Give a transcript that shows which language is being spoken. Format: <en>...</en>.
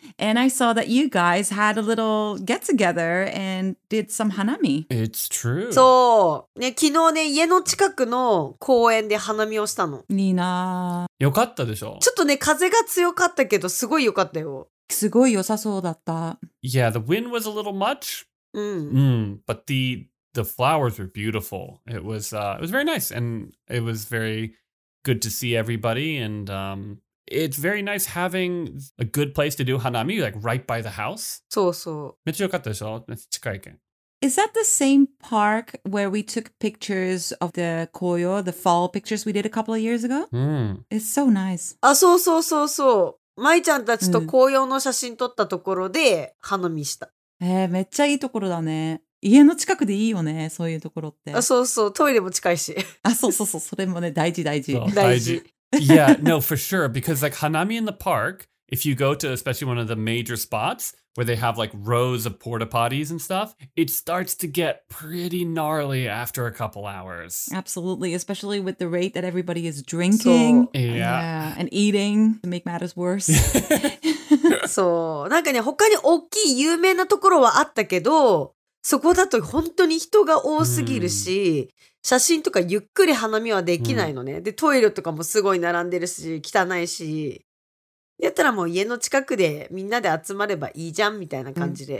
<en>And I saw that you guys had a little get together and did some hanami. It's true.</en> <ja>そう。ね、昨日ね、家の近くの公園で花見をしたの。いいな。よかったでしょ。ちょっとね、風が強かったけど、すごいよかったよ。すごい良さそうだった。</ja> <en>Yeah, the wind was a little much.</en> <ja>うん。</ja> <en>うん。But the flowers were beautiful. It was very nice. And it was very... Good to see everybody, and it's very nice having a good place to do hanami, like right by the house.</en> <ja>そうそう。めっちゃ良かったでしょ？めっちゃ近いけん。</ja> <en>Is that the same park where we took pictures of the koyo, the fall pictures we did a couple of years ago? It's so nice.</en> <ja>あ、そうそうそうそう。まいちゃんたちと紅葉の写真撮ったところで hanami した。めっちゃいいところだね。家の近くでいいよね、そういうところって。あ、そうそう、トイレも近いし。あ、そうそうそう、それもね、大事大事。大事。</ja> <en>Yeah, no, for sure. Because like Hanami in the park, if you go to especially one of the major spots where they have like rows of porta potties and stuff, it starts to get pretty gnarly after a couple hours. Absolutely, especially with the rate that everybody is drinking. So, yeah. And eating to make matters worse.</en> <ja>そう。なんかね、他に大きい有名なところはあったけど、そこだと本当に人が多すぎるし、写真とかゆっくり花見はできないのね。で、トイレとかもすごい並んでるし、汚いし。やったらもう家の近くでみんなで集まればいいじゃんみたいな感じで。</ja>